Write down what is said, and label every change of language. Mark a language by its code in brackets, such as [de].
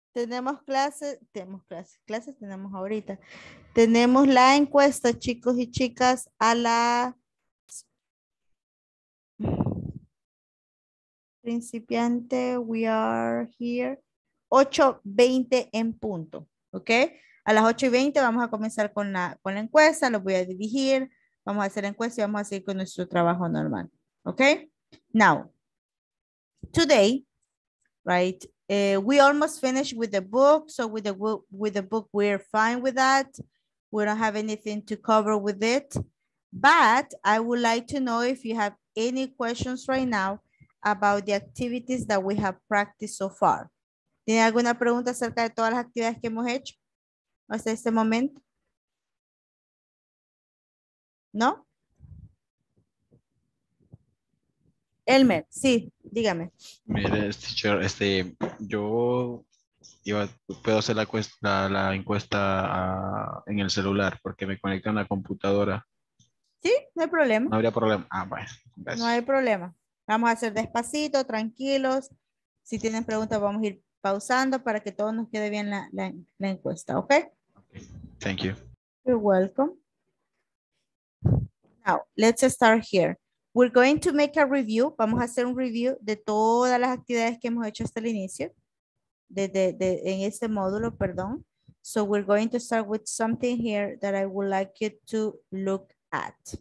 [es] Tenemos clases, tenemos ahorita. Tenemos la encuesta, chicos y chicas, a las principiante, [en] we are here, [es] 8:20 en punto, ¿ok? A las 8:20 vamos a comenzar con la encuesta, los voy a dirigir, vamos a hacer la encuesta y vamos a seguir con nuestro trabajo normal, ¿ok? [en] Now, today, right, we almost finished with the book, so with the book we're fine with that. We don't have anything to cover with it, but I would like to know if you have any questions right now about the activities that we have practiced so far. [es] ¿Tiene alguna pregunta acerca de todas las actividades que hemos hecho hasta este momento? ¿No? Elmer, sí, dígame. Mire, teacher, yo puedo hacer la encuesta en el celular porque me conecta a la computadora. Sí, no hay problema. No habría problema. Ah, bueno. Gracias. No hay problema. Vamos a hacer despacito, tranquilos. Si tienen preguntas, vamos a ir pausando para que todo nos quede bien la encuesta, ¿ok? [en] Ok, thank you. You're welcome. Now, let's start here. We're going to make a review. [es] Vamos a hacer un review de todas las actividades que hemos hecho hasta el inicio. En este módulo, perdón. [en] So we're going to start with something here that I would like you to look at.